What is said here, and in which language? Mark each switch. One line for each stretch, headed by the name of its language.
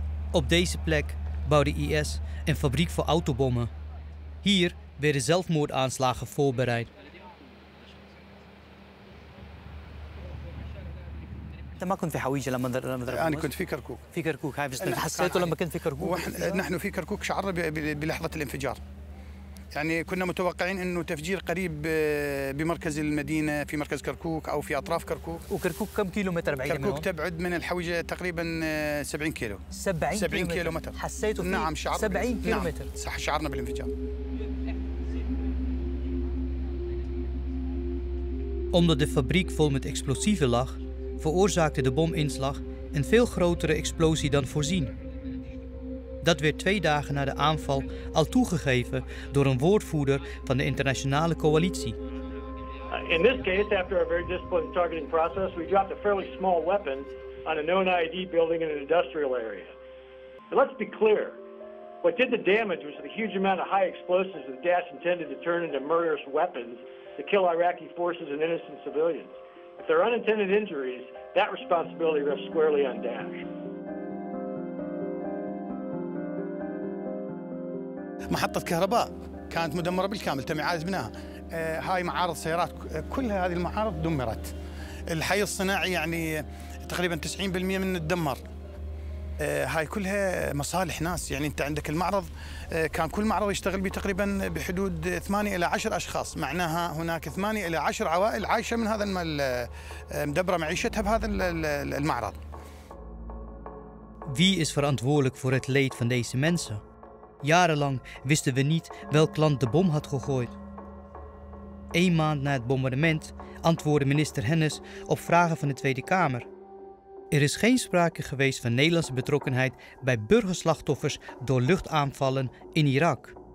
Dutch: Op deze plek bouwde IS een fabriek voor autobommen. Hier werden zelfmoordaanslagen voorbereid.
Arabic: أنت ما كنت في حويجة لما ضربوا؟ أنا كنت في كركوك. في كركوك، هاي حسيته لما كنت في كركوك. نحن في كركوك شعرنا بلحظة الانفجار، يعني كنا متوقعين أنه تفجير قريب بمركز المدينة، في مركز كركوك أو في أطراف كركوك. وكركوك كم كيلومتر بعيد؟ كركوك تبعد من الحويجة تقريبا 70 كيلو. 70 كيلومتر. حسيته في، نعم، شعرنا 70 كيلومتر. نعم شعرنا بالانفجار.
Dutch: Omdat de fabriek vol met explosieven lag veroorzaakte de bominslag een veel grotere explosie dan voorzien. Dat werd twee dagen na de aanval al toegegeven door een woordvoerder van de internationale coalitie.
English: In this case, after a very disciplined targeting process, we dropped a fairly small weapon on a known IED building in an industrial area. But let's be clear, what did the damage was the huge amount of high explosives that Daesh intended to turn into murderous weapons to kill Iraqi forces and innocent civilians. If there are unintended injuries, that responsibility rests squarely on Daesh.
Arabic: محطة كهرباء كانت مدمرة بالكامل، تم إعادة بناها. هاي معارض سيارات، كل هذه المعارض دمرت. الحي الصناعي يعني تقريبا 90% من الدمر. هاي كلها مصالح ناس، يعني انت عندك المعرض كان كل معرض يشتغل به تقريبا بحدود 8 الى 10 اشخاص، معناها هناك 8 الى 10 عوائل عايشه من هذا المال، مدبره معيشتها بهذا المعرض.
Dutch: Wie is verantwoordelijk voor het leed van deze mensen? Jarenlang wisten we niet welk land de bom had gegooid. Een maand na het bombardement antwoordde minister Hennis op vragen van de Tweede Kamer: er is geen sprake geweest van Nederlandse betrokkenheid bij burgerslachtoffers door luchtaanvallen in Irak.